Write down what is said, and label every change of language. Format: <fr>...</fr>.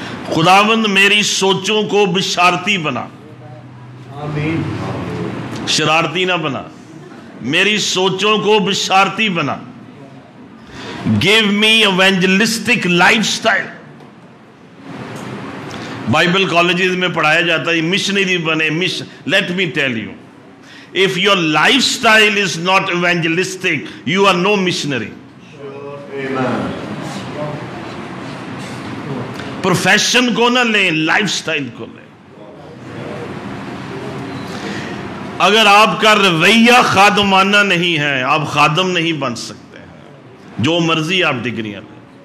<ur>خداوند میری سوچوں کو بشارتی بنا، شرارتی نہ بنا، میری سوچوں کو بشارتی بنا.</ur> <en>Give me evangelistic lifestyle.</en> <ur>Bible colleges میں پڑھایا جاتا ہے missionary بنے.</ur> <en>Let me tell you, if your lifestyle is not evangelistic, you are no missionary.</en> <ur>Profession کو نہ لیں، lifestyle کو لیں. اگر آپ کا رویہ خادمانہ نہیں ہے آپ خادم نہیں بن سکتے، جو مرضی آپ ڈگریاں لیں.</ur>